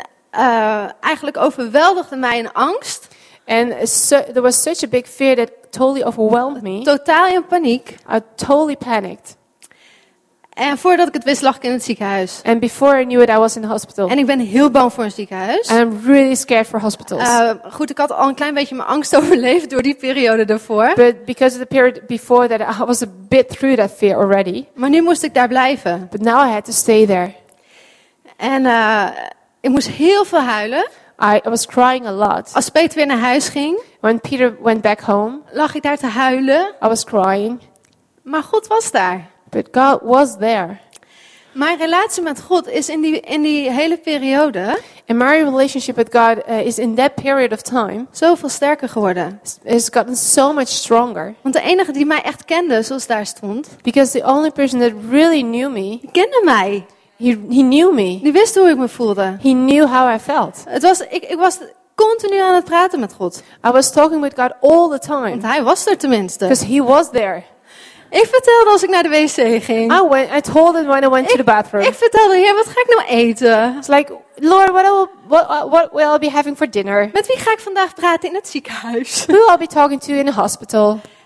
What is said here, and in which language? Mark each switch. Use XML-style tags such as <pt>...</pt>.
<nl>En eigenlijk overweldigde mij een angst.</nl> <en>And so, there was such a big fear that totally overwhelmed me.</en> <nl>Totaal in paniek.</nl> <en>I totally panicked.</en> <nl>En voordat ik het wist lag ik in het ziekenhuis.</nl> <en>And before I knew it, I was in the hospital.</en> <nl>En ik ben heel bang voor een ziekenhuis.</nl> <en>And I'm really scared for hospitals.</en> <nl>Goed, ik had al een klein beetje mijn angst overleefd door die periode ervoor.</nl> <en>But because of the period before that, I was a bit through that fear already.</en> <nl>Maar nu moest ik daar blijven.</nl> <en>But now I had to stay there.</en> <nl>En ik moest heel veel huilen.</nl> <en>I was crying a lot.</en> <nl>Als Peter weer naar huis ging,</nl> <en>when Peter went back home,</en> <nl>lag ik daar te huilen.</nl> <en>I was crying.</en> <nl>Maar God was daar.</nl> <en>But God was there.</en> <nl>Mijn relatie met God is in die hele periode.</nl> <en>And my relationship with God is in that period of time.</en> <nl>Zoveel sterker geworden.</nl> <en>It's gotten so much stronger.</en> <nl>Want de enige die mij echt kende, zoals daar stond.</nl> <en>Because the only person that really knew me.</en> <nl>Kende mij.</nl> <en>He knew me.</en> <nl>Die wist hoe ik me voelde.</nl> <en>He knew how I felt.</en> <nl>Het was ik was continu aan het praten met God.</nl> <en>I was talking with God all the time.</en> <nl>Want hij was er tenminste.</nl> <en>Because he was there.</en> <nl>Ik vertelde als ik naar de wc ging.</nl> <en>I told it when I went to the bathroom.</en> <nl>Ik vertelde, Heer, wat ga ik nou eten?</nl> <en>It's like, Lord, what will I be having for dinner?</en> <nl>Met wie ga ik vandaag praten in het ziekenhuis?</nl> <en>Who I'll be talking to in the hospital?</en>